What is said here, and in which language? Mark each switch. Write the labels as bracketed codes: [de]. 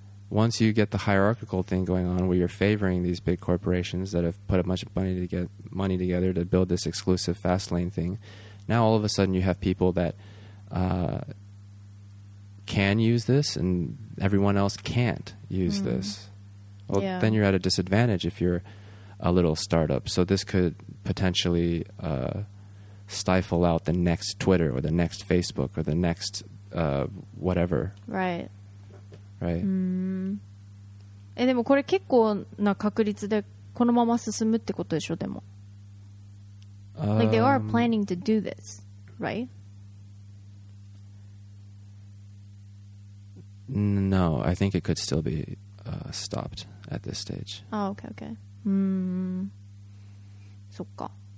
[en] Once you get the hierarchical thing going on where you're favoring these big corporations that have put a bunch of money to get money together to build this exclusive fast lane thing, now all of a sudden you have people that can use this and everyone else can't use this. Well, then you're at a disadvantage if you're a little startup. So this could potentially stifle out the next Twitter or the next Facebook or the next whatever. Right. Right. [ja] でもこれ結構な確率でこのまま進むってことでしょ、でも。 [en] Like they are planning to do this, right? No, I think it could still be stopped at this stage. Oh, okay. [ja] そっか。